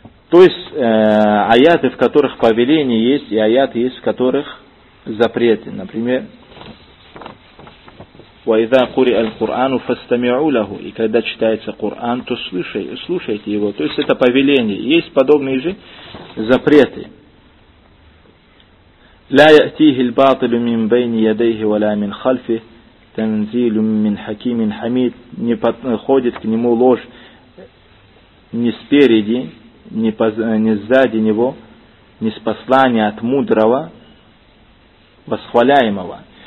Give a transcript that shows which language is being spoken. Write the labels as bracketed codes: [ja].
[ru] То есть аяты, в которых повеление есть, и аяты есть, в которых запреты. Например, [ar] وَإِذَا قُرِئَ الْقُرْآنُ فَاسْتَمِعُوا لَهُ. [ru] И когда читается Коран, то слушайте его. То есть это повеление. Есть подобные же запреты. [ar] لَا يَأْتِيهِ الْبَاطِلُ مِنْ بَيْنِ يَدَيْهِ وَلَا مِنْ خَلْفِهِ تَنْزِيلٌ مِنْ حَكِيمٍ حَمِيدٍ. [ru] Не подходит к нему ложь ни спереди, ни сзади него, ни с послания от мудрого, восхваляемого.